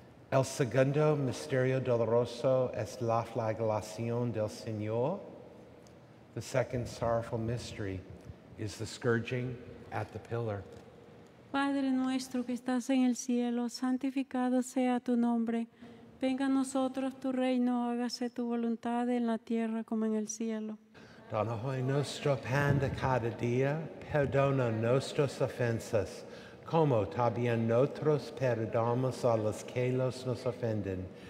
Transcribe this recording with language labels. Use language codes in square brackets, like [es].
[es] El segundo misterio doloroso es la flagelación del Señor. [en] The second sorrowful mystery is the scourging at the pillar. [es] Padre nuestro que estás en el cielo, santificado sea tu nombre. Venga a nosotros tu reino, hágase tu voluntad en la tierra como en el cielo. Danos hoy nuestro pan de cada día, perdona nuestras ofensas, como también nosotros perdonamos a los que nos ofenden.